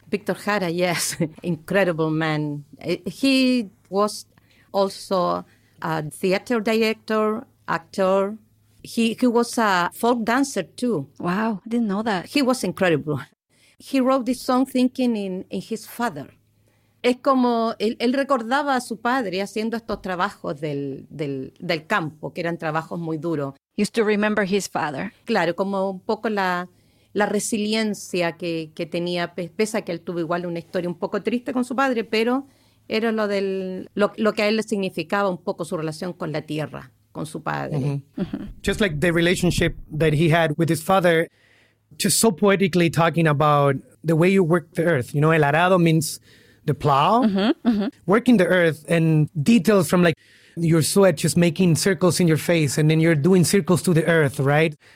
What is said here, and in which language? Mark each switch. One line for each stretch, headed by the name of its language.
English: Victor Jara, yes. Incredible man. He was also a theater director, actor. He was a folk dancer too. Wow, I didn't know that. He was incredible. He wrote this song thinking in his father.
Spanish: Es como, él recordaba a su padre haciendo estos trabajos del campo, que eran trabajos muy duros.
English: Used to remember his father.
Spanish: Claro, como un poco la resiliencia que tenía, pese a que él tuvo igual una historia un poco triste con su padre, pero era lo que a él le significaba un poco su relación con la tierra, con su padre.
English: Just like the relationship that he had with his father, just so poetically talking about the way you work the earth. You know, el arado means the plow, working the earth, and details from like your sweat just making circles in your face, and then you're doing circles to the earth, right?